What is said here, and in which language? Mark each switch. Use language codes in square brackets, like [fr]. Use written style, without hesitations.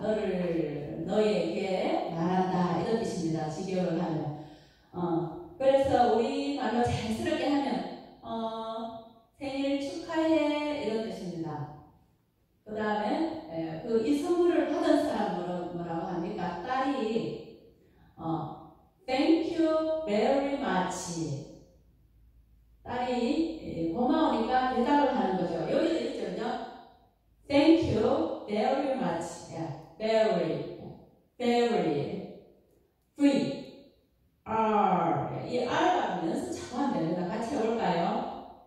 [ko] 너를 너에게 말한다. 이런 뜻입니다. 직역을 하면. 그래서 우리 말로 자연스럽게 하면. 생일 축하해 이런 뜻입니다. 그 다음에 그 이 선물을 받은 사람은 뭐라고 합니까? 딸이 [en] Thank you very much. [ko] 딸이 고마우니까 대답을 하는 거죠. 여기도 있죠. [en] Thank you very much. Yeah. Very, very. Three, R. [ko] 이 R 하면서 자꾸만 됩니다. 같이 해볼까요?